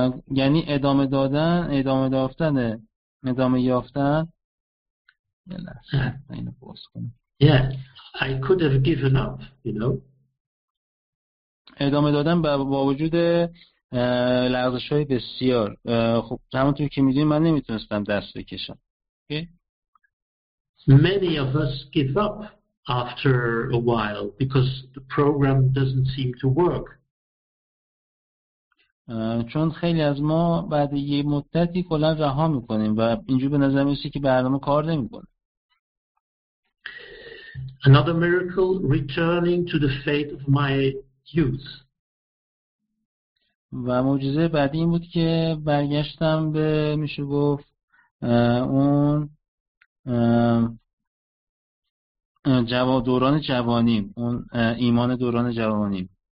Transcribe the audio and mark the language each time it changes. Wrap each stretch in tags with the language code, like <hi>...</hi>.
<fa>یعنی ادامه دادن، ادامه یافتن، ادامه یافتن. یه لحظه اینو باز کنم.</fa> <en>Yeah, I could have given up, you know.</en> <fa>ادامه دادن با وجود لغزش های بسیار. خب همونطور که میدونی من نمیتونستم دست بکشم. Okay.</fa> <en>Many of us give up after a while because the program doesn't seem to work.</en> <fa>چون خیلی از ما بعد یه مدتی کلا رها میکنیم و اینجور به نظر میرسه که برنامه کار نمیکنه.</fa> <en>Another miracle, returning to the faith of my youth.</en> <fa>و معجزه بعدی این بود که برگشتم به میشه گفت اون جواب دوران جوانیم، اون ایمان دوران جوانیم.</fa>